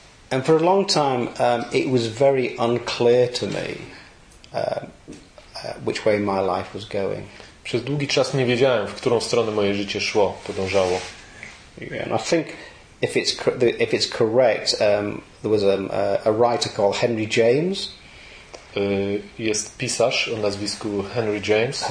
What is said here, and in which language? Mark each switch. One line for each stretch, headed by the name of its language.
English: And for a long time it was very unclear to me which way my life was going.
Polish: Przez długi czas nie wiedziałem, w którą stronę moje życie szło, podążało.
English: Yeah, and I think if it's correct, there was a writer called Henry James.
Polish: Jest pisarz o nazwisku Henry James,